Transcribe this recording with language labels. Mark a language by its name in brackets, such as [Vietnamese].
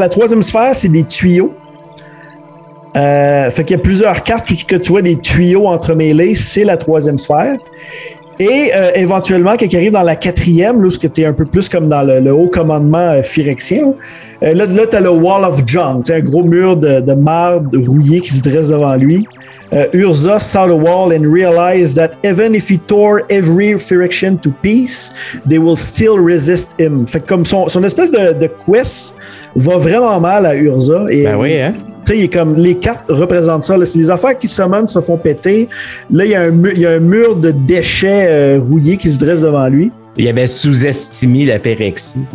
[French] La troisième sphère, c'est des tuyaux. Fait qu'il y a plusieurs cartes où tu vois des tuyaux entremêlés, c'est la troisième sphère. Et éventuellement, quand il arrive dans la quatrième, là, où tu es un peu plus comme dans le haut commandement phyrexien, là tu as le Wall of Junk, un gros mur de marbre rouillé qui se dresse devant lui. [English] Urza saw the wall and realized that even if he tore every phyrexian to peace, they will still resist him. [French] Fait que comme son espèce de quest va vraiment mal à Urza. Et, ben oui, hein? Il est comme les cartes représentent ça. Là. C'est les affaires qui summonent se font péter. Là, il y a un mur de déchets rouillés qui se dresse devant lui. Il avait sous-estimé la phyrexie.